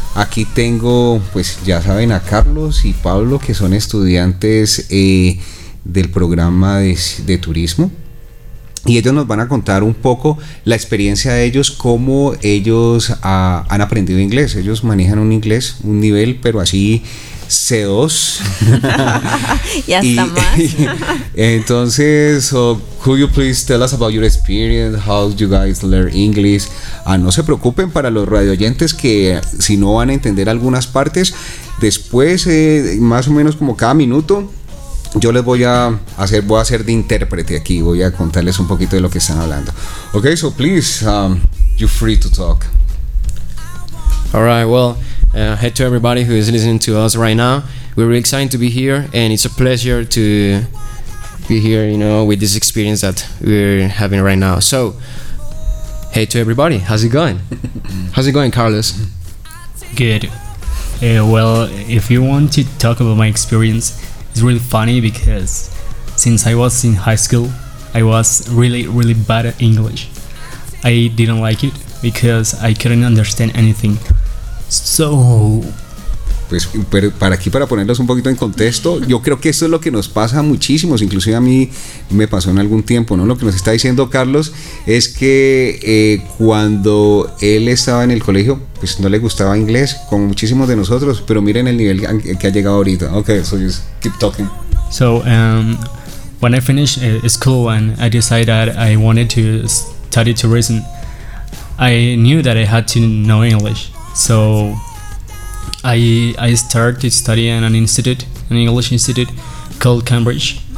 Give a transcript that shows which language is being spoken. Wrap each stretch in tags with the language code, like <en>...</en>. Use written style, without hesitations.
<es>Aquí tengo, pues ya saben, a Carlos y Pablo, que son estudiantes del programa de turismo, y ellos nos van a contar un poco la experiencia de ellos, cómo ellos han aprendido inglés. Ellos manejan un inglés, un nivel, pero así C2. Y hasta entonces,</es> <en>could you please tell us about your experience, how you guys learn English?</en> <es>No se preocupen, para los radioyentes, que si no van a entender algunas partes, después, más o menos como cada minuto, yo les voy a hacer de intérprete aquí, voy a contarles un poquito de lo que están hablando.</es> <en>Okay, so please, you're free to talk. All right, well, hello to everybody who is listening to us right now. We're really excited to be here, and it's a pleasure to be here, you know, with this experience that we're having right now. So, hey to everybody, how's it going? How's it going, Carlos? Good. Well, if you want to talk about my experience, it's really funny because since I was in high school, I was really, really bad at English. I didn't like it because I couldn't understand anything. So,</en> <es>pues para aquí, para ponerlos un poquito en contexto, yo creo que esto es lo que nos pasa a muchísimos, inclusive a mí me pasó en algún tiempo, ¿no? Lo que nos está diciendo Carlos es que cuando él estaba en el colegio, pues no le gustaba inglés, como muchísimos de nosotros, pero miren el nivel que ha llegado ahorita.</es> <en>Okay, so just keep talking. So when I finished school and I decided that I wanted to study tourism, I knew that I had to know English. So I started to study in an institute, an English institute called Cambridge.</en>